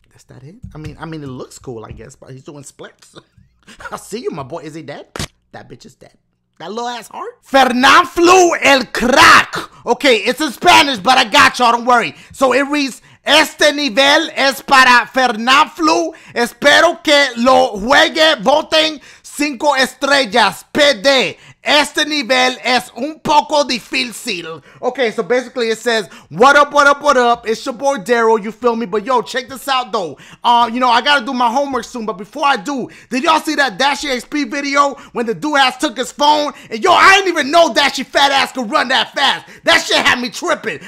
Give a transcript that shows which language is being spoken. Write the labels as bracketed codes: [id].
[en] that it? I mean, it looks cool, I guess, but he's doing splits. I see you, my boy. Is he dead? That bitch is dead. That little ass heart? [es] Fernan flu el crack. [en] Okay, it's in Spanish, but I got y'all. Don't worry. So it reads, [es] este nivel es para Fernan flu. Espero que lo juegue voten 5 estrellas. PD. Este nivel es un poco difícil. [en] Okay, so basically it says, what up, it's your boy Daryl, you feel me? But yo, check this out though. You know, I gotta do my homework soon, but before I do, did y'all see that Dashie XP video when the dude ass took his phone? And yo, I didn't even know Dashie fat ass could run that fast. That shit had me tripping.